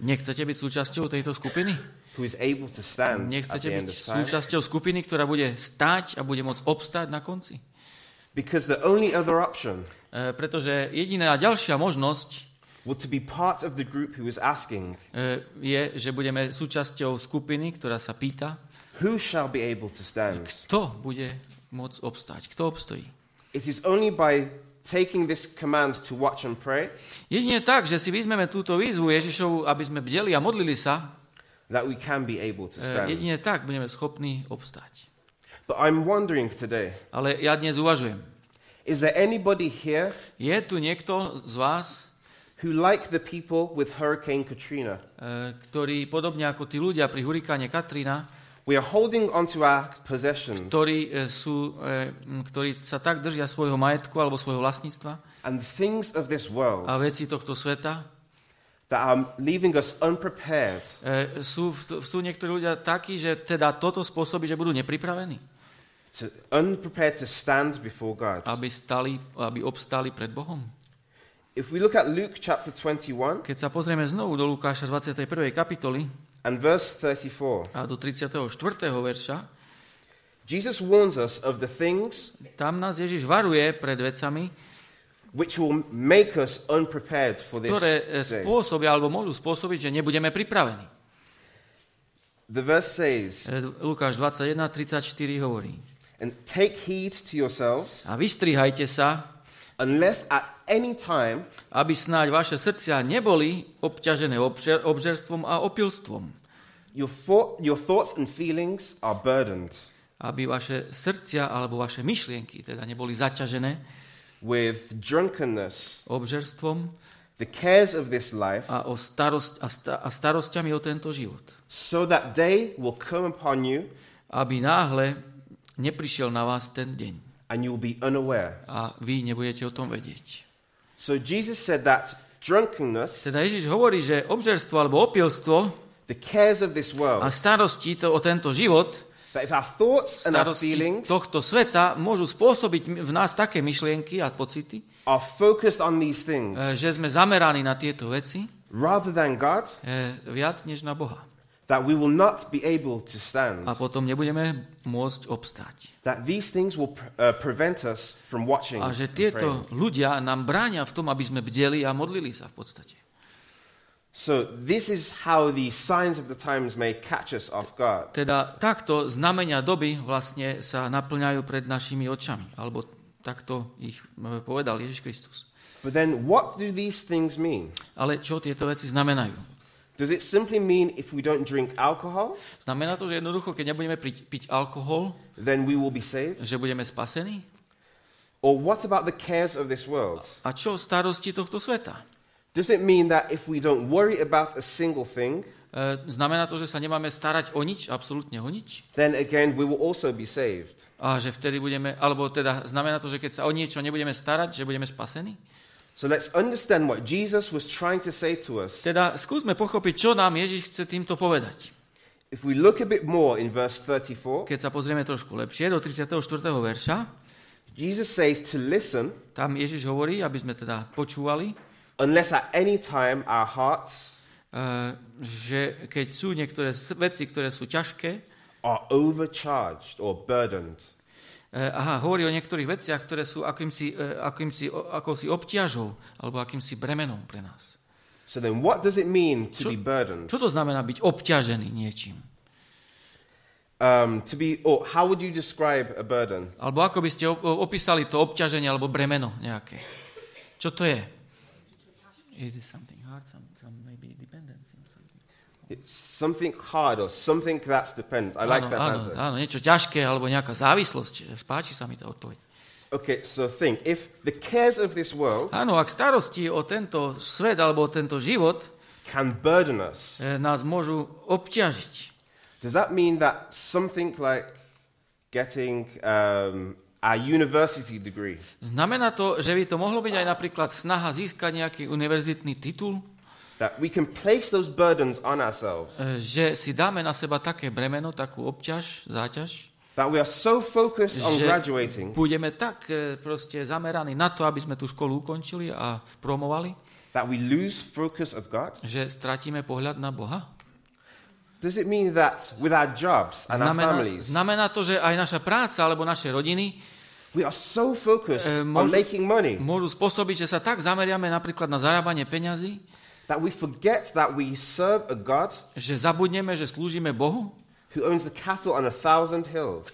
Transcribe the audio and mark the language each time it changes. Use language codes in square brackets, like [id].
[sk] Nechcete byť súčasťou tejto skupiny? [en] Who is able to stand? [sk] Nechcete byť súčasťou skupiny, ktorá bude stať a bude môcť obstať na konci? [en] Because the only other option. [sk] Pretože jediná ďalšia možnosť. [en] Would to be part of the group who is asking. [sk] Je, že budeme súčasťou skupiny, ktorá sa pýta. [en] Who shall be able to stand? [sk] Kto bude môcť obstať? Kto obstojí? [en] It is only by taking this command to watch and pray. [sk] Jedine tak, že si vezmeme túto výzvu Ježišovu, aby sme bdeli a modlili sa, [en] that we can be able to stand. [sk] Jedine tak budeme schopní obstať. [en] But I'm wondering today. [sk] Ale ja dnes uvažujem. [en] Is there anybody here? [sk] Je tu niekto z vás, [en] who like the people with Hurricane Katrina? [sk] Ktorí podobne ako tí ľudia pri hurikáne Katrina. [en] We are holding on to our possessions. [sk] Ktorí sa tak držia svojho majetku alebo svojho vlastníctva. [en] And things of this world. [sk] A veci tohto sveta. [en] That are leaving us unprepared. [sk] Sú niektorí ľudia takí, že teda toto spôsobí, že budú nepripravení. [en] Unprepared to stand before God. [sk] Aby obstali pred Bohom. [en] If we look at Luke chapter 21. [sk] Keď sa pozrieme znovu do Lukáša 21. kapitoly. [en] And verse 34. [sk] A do 34. verša. [en] Jesus warns us of the things. [sk] Tam nás Ježiš varuje pred vecami, [en] which will make us unprepared for this. [sk] Ktoré spôsobia alebo môžu spôsobiť, že nebudeme pripravení. [en] The verse says. [sk] Lukáš 21:34 hovorí. [en] And take heed to yourselves. [sk] A vystrihajte sa. [en] Unless at any time, [sk] aby snáď vaše srdcia neboli obťažené obžerstvom a opilstvom. [en] Your thoughts and feelings are burdened. [sk] Aby vaše srdcia alebo vaše myšlienky teda neboli zaťažené [en] with drunkenness, [sk] obžerstvom, [en] the cares of this life, [sk] a starosťami o tento život. [en] So that day will come upon you, [sk] aby náhle neprišiel na vás ten deň. [en] And you will be unaware. [sk] A vy nebudete o tom vedieť. [en] So Jesus said that drunkenness. [sk] Teda Ježiš hovorí, že obžerstvo alebo opilstvo. [en] The cares of this world. [sk] A starosti o tento život. [en] That if our thoughts and our feelings. [sk] Starosti tohto sveta môžu spôsobiť v nás také myšlienky a pocity. [en] Are focused on these things. [sk] Že sme zameraní na tieto veci. [en] Rather than God. [sk] Viac než na Boha. [en] That we will not be able to stand. [sk] A potom nebudeme môcť obstať. [en] That these things will prevent us from watching. [sk] A že tieto ľudia nám bránia v tom, aby sme bdeli a modlili sa v podstate. [en] So this is how the signs of the times may catch us off guard. [sk] Teda takto znamenia doby vlastne sa naplňajú pred našimi očami, alebo takto ich povedal Ježiš Kristus. [en] But then what do these things mean? [sk] Ale čo tieto veci znamenajú? [en] Does it simply mean if we don't drink alcohol? [sk] Znamená to, že jednoducho, keď nebudeme piť alkohol, [en] then we will be saved? [sk] Že budeme spasení? [en] Or what about the cares of this world? [sk] A čo starosti tohto sveta? [en] Does it mean that if we don't worry about a single thing? [sk] Znamená to, že sa nemáme starať o nič, absolútne o nič? [en] Then again we will also be saved. [sk] A že vtedy budeme, alebo teda znamená to, že keď sa o niečo nebudeme starať, že budeme spasení? [en] So let's understand what Jesus was trying to say to us. [sk] Teda skúsme pochopiť, čo nám Ježiš chce týmto povedať. [en] If we look a bit more in verse 34. [sk] Keď sa pozrieme trošku lepšie do 34. verša. [en] Jesus says to listen. [sk] Tam Ježiš hovorí, aby sme teda počúvali. [en] Unless at any time our hearts [sk] že keď sú niektoré veci, ktoré sú ťažké, [en] are overcharged or burdened. [sk] Hovorí o niektorých veciach, ktoré sú akýmsi obťažou alebo akýmsi bremenom pre nás. [en] So then what does it mean to be burdened? [sk] Čo to znamená byť obťažený niečím? [en] How would you describe a burden? [sk] Alebo ako by ste opísali to obťaženie alebo bremeno nejaké? Čo to je? [en] Is it something hard, some maybe dependency or something? It's something hard or something that's dependent. I like that answer. [sk] Áno, niečo ťažké alebo nejaká závislosť. Spáči sa mi tá odpoveď. [en] Okay, so think, if the cares of this world, [sk] áno, ak starosti o tento svet alebo o tento život [en] can burden us, [sk] nás môžu obťažiť. [en] Does that mean that something like getting a university degree? [sk] Znamená to, že by to mohlo byť aj napríklad snaha získať nejaký univerzitný titul? [en] That we can place those burdens on ourselves. [sk] Že si dáme na seba také bremeno, takú obťaž, záťaž. [en] That we are so focused on graduating. [sk] Budeme tak proste zameraní na to, aby sme tú školu ukončili a promovali. [en] That we lose focus of God. [sk] Že stratíme pohľad na Boha. [en] Does it mean that with our jobs and [sk] znamená, [en] our families? [sk] Znamená to, že aj naša práca alebo naše rodiny. [en] We are so focused on making money. [sk] Môžu spôsobiť, že sa tak zameriame napríklad na zarábanie peňazí. [en] That we forget that we serve a God. [sk] Že zabudneme, že slúžime Bohu. [en] Who owns the castle on a thousand hills?